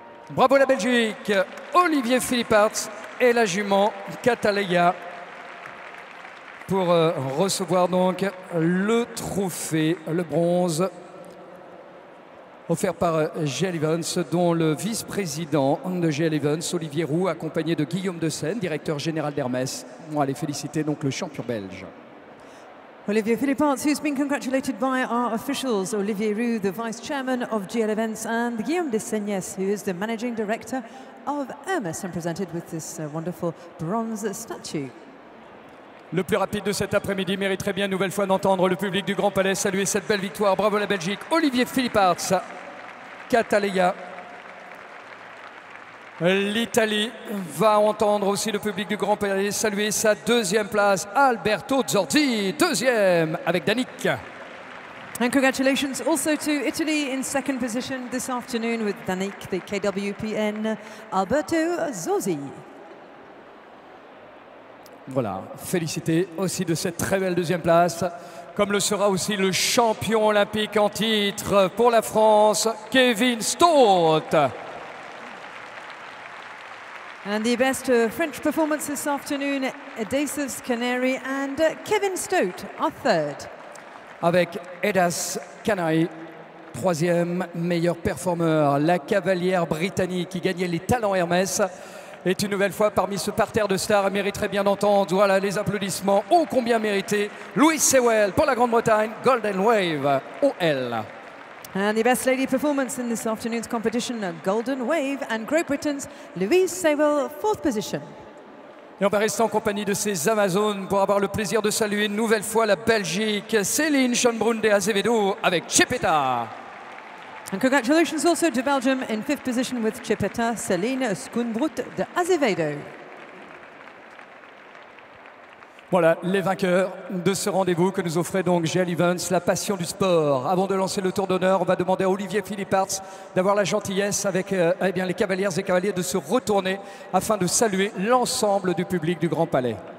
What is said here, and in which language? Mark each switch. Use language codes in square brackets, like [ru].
[fr] Bravo la Belgique, Olivier Philippartz et la jument Catalia pour recevoir donc le trophée, le bronze offert par GL Events, dont le vice-président de GL Events, Olivier Roux, accompagné de Guillaume Dessène, directeur général d'Hermès, vont aller féliciter donc le champion belge. [en] Olivier Philippartz, who's been congratulated by our officials, Olivier Roux, the vice chairman of GL Events, and Guillaume Desseignes, who is the managing director of Hermès, and presented with this wonderful bronze statue. [fr] Le plus rapide de cet après-midi mériterait bien une nouvelle fois d'entendre le public du Grand Palais saluer cette belle victoire. Bravo la Belgique, Olivier Philippartz, Catalia. L'Italie va entendre aussi le public du Grand Palais saluer sa deuxième place, Alberto Zorzi, deuxième avec Danik. [en] And congratulations also to Italy in second position this afternoon with Danik, the KWPN, Alberto Zorzi. [fr] Voilà, félicité aussi de cette très belle deuxième place, comme le sera aussi le champion olympique en titre pour la France, Kevin Staut. [en] And the best French performance this afternoon, Edasus Canary and Kevin Staut are third. [fr] Avec Edas Canary, troisième meilleur performeur, la cavalière britannique qui gagnait les talents Hermès est une nouvelle fois parmi ce parterre de stars et mériterait bien d'entendre, voilà les applaudissements, ô combien mérités, Louise Sewell pour la Grande-Bretagne, Golden Wave, OL. [en] And the best lady performance in this afternoon's competition, Golden Wave, and Great Britain's Louise Sewell, fourth position. [fr] Et on va rester en compagnie de ces Amazones pour avoir le plaisir de saluer une nouvelle fois la Belgique, Céline Schönbrunn de Azevedo avec Chipeta. [en] And congratulations also to Belgium in fifth position with Chipeta, Céline Schönbrunn de Azevedo. [fr] Voilà les vainqueurs de ce rendez-vous que nous offrait donc GL Events, la passion du sport. Avant de lancer le tour d'honneur, on va demander à Olivier Philippartz d'avoir la gentillesse avec les cavalières et cavaliers de se retourner afin de saluer l'ensemble du public du Grand Palais.